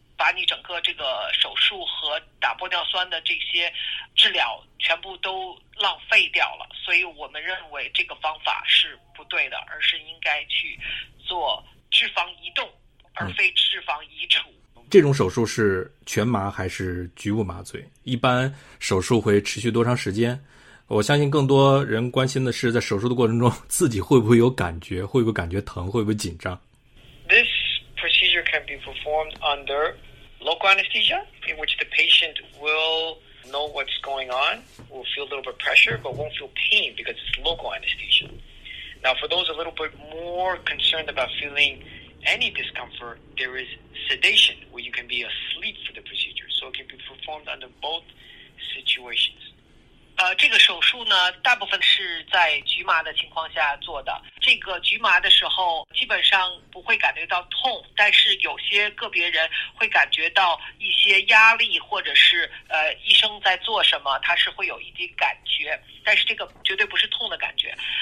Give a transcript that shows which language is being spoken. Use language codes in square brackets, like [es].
[zh] 把你整个这个手术和打玻尿酸的这些治疗全部都浪费掉了，所以我们认为这个方法是不对的，而是应该去做脂肪移动而非脂肪移除。这种手术是全麻还是局部麻醉？一般手术会持续多长时间？我相信更多人关心的是在手术的过程中自己会不会有感觉，会不会感觉疼，会不会紧张。 [en] This procedure can be performed under local anesthesia in which the patient will know what's going on, will feel a little bit pressure but won't feel pain because it's local anesthesia. Now for those a little bit more concerned about feeling any discomfort, there is sedation where you can be asleep for the procedure, so it can be performed under both situations. [zh] 这个手术呢大部分是在局麻的情况下做的，这个局麻的时候基本上不会感觉到痛，但是有些个别人会感觉到一些压力，或者是医生在做什么他是会有一点感觉，但是这个绝对不是痛的感觉。